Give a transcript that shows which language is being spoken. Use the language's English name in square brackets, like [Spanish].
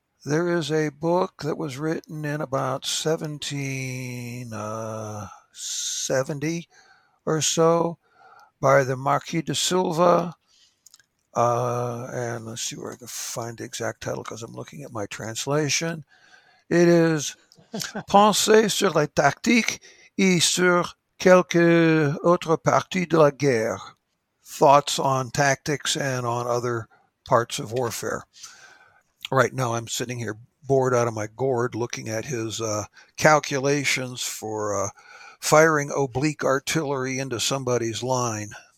[English] There is a book that was written in about 1770 or so by the Marquis de Silva. And let's see where I can find the exact title, because I'm looking at my translation. It is [French] Pensée sur la tactique et sur quelques autres parties de la guerre. [English] Thoughts on tactics and on other parts of warfare. Right now I'm sitting here bored out of my gourd looking at his calculations for firing oblique artillery into somebody's line.